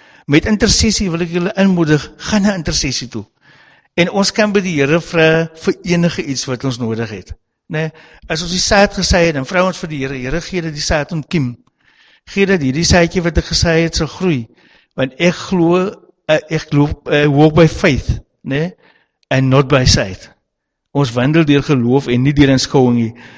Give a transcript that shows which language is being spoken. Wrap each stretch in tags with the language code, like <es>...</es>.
<af>Met intercessie wil ek julle inmoedig, gaan na intercessie toe. En ons kan by die Here vra vir enige iets wat ons nodig het. Nee, as ons die saad gesê het, dan vra ons vir die Here, Here gee dat die saad ontkiem. Gee dat hierdie saadjie wat ek gesê het sal groei. Want ek glo,</af> <en>walk by faith,</en> <af>nee,</af> <en>and not by sight.</en> <af>Ons wandel deur geloof en nie deur aanskouing nie.</af>